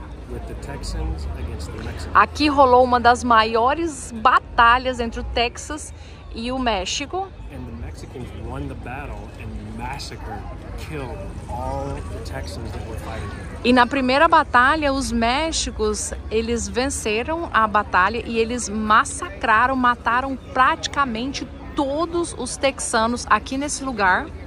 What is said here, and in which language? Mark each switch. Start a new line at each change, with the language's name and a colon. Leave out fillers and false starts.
English: With the Texans against the Mexicans.
Portuguese: Aqui rolou uma das maiores batalhas entre o Texas e o México.
English: And the Mexicans won the battle and massacred, killed all the Texans that were fighting.
Portuguese: E na primeira batalha, os Mexicos, eles venceram a batalha e eles massacraram, mataram praticamente todos os texanos aqui nesse lugar.